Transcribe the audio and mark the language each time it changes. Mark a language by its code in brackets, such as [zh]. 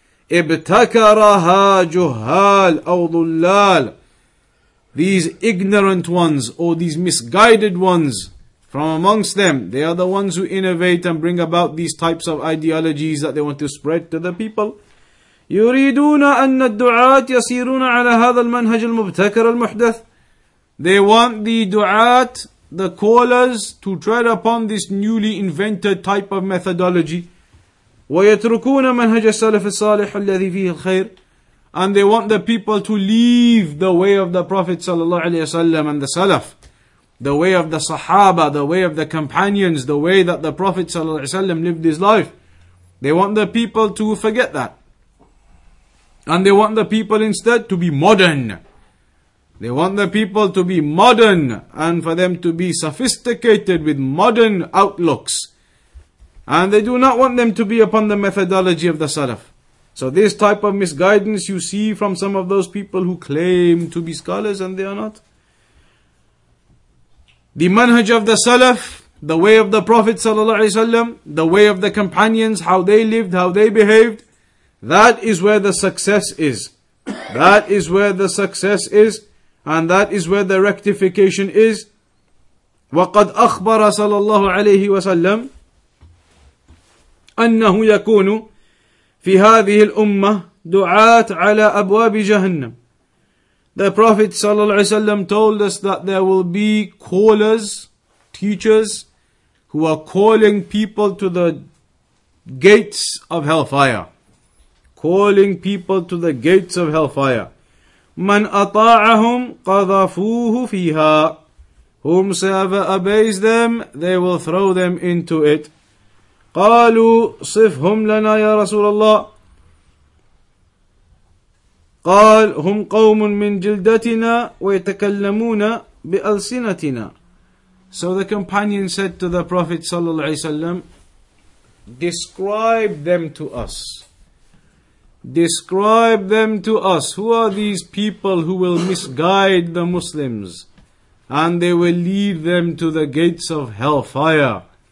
[ar] ابتكرها جهال أو ضلال. [en] These ignorant ones or these misguided ones from amongst them, they are the ones who innovate and bring about these types of ideologies that they want to spread to the people. [ar] يريدون أن الدعاة يسيرون على هذا المنهج المبتكر المحدث. [en] They want the du'at, the callers, to tread upon this newly invented type of methodology. [ar] ويتركون منهج السلف الصالح الذي فيه الخير. [en] And they want the people to leave the way of the Prophet sallallahu alaihi wasallam and the Salaf, the way of the Sahaba, the way of the companions, the way that the Prophet sallallahu alaihi wasallam lived his life. They want the people to forget that. And they want the people instead to be modern. They want the people to be modern and for them to be sophisticated with modern outlooks. And they do not want them to be upon the methodology of the Salaf. So this type of misguidance you see from some of those people who claim to be scholars and they are not. The manhaj of the Salaf, the way of the Prophet sallallahu alaihi wasallam, the way of the companions, how they lived, how they behaved, that is where the success is. That is where the success is, and that is where the rectification is. [ar] وَقَدْ أَخْبَرَ sallallahu alaihi wasallam أَنَّهُ يَكُونُ في هذه الأمة دعاة على أبواب جهنم. [en] The Prophet sallallahu alaihi wasallam told us that there will be callers, teachers, who are calling people to the gates of hellfire. Calling people to the gates of hellfire. [ar] من أطاعهم قذفوه فيها. [en] Whomsoever obeys them, they will throw them into it. [ar] قالوا صفهم لنا يا رسول الله قال هم قوم من جلدتنا ويتكلمون بألسنتنا. [en] So the companion said to the Prophet sallallahu alaihi wasallam, describe them to us. Describe them to us. Who are these people who will misguide the Muslims and they will lead them to the gates of hellfire?